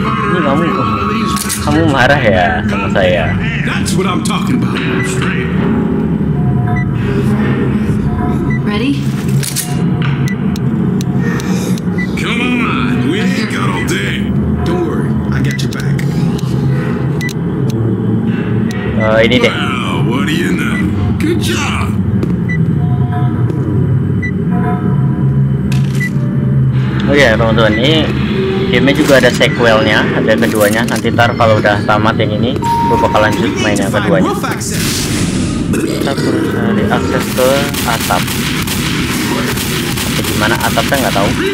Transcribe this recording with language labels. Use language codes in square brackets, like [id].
[id] Ini kamu, kamu marah ya sama saya. [en] That's what I'm talking about. Ready? Come on, we ain't got all day. Don't worry, I got your back. [id] Ini deh. [en] Wow, what do you know? Good job. [id] Oh iya teman-teman, ini game-nya juga ada sequel-nya, ada keduanya. Nanti ntar kalau udah tamat yang ini, gue bakal lanjut main yang keduanya. Kita berusaha diakses ke atap. Tapi gimana atapnya nggak tahu.